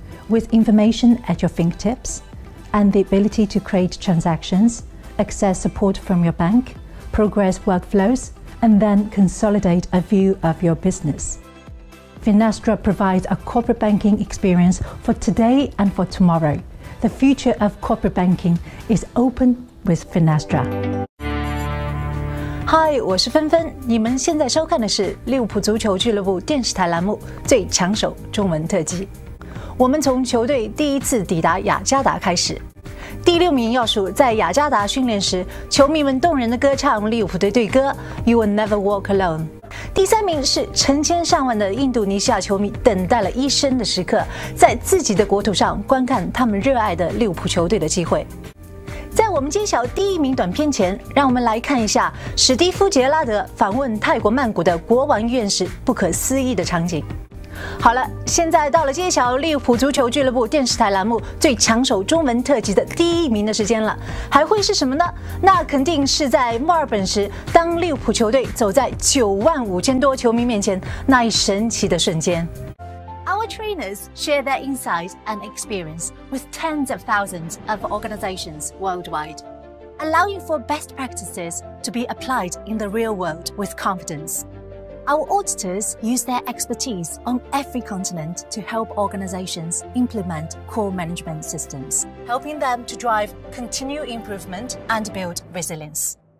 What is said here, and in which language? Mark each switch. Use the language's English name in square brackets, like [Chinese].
[English] With information at your fingertips and the ability to create transactions, access support from your bank, progress workflows, and then consolidate a view of your business. Finastra provides a corporate banking experience for today and for tomorrow. The future of corporate banking is open with Finastra. [Chinese] Hi, 我是芬芬。你们现在收看的是利物浦足球俱乐部电视台栏目《最抢手》中文特辑。我们从球队第一次抵达雅加达开始。第六名要数在雅加达训练时，球迷们动人的歌唱利物浦队队歌 You Will Never Walk Alone。第三名是成千上万的印度尼西亚球迷等待了一生的时刻，在自己的国土上观看他们热爱的利物浦球队的机会。在我们揭晓第一名短片前，让我们来看一下史蒂夫·杰拉德访问泰国曼谷的国王医院时不可思议的场景。好了，现在到了揭晓利物浦足球俱乐部电视台栏目最抢手中文特辑的第一名的时间了，还会是什么呢？那肯定是在墨尔本时，当利物浦球队走在95,000多球迷面前那一神奇的瞬间。 [English] Our trainers share their insight and experience with tens of thousands of organizations worldwide, allowing for best practices to be applied in the real world with confidence. Our auditors use their expertise on every continent to help organizations implement core management systems, helping them to drive continued improvement and build resilience.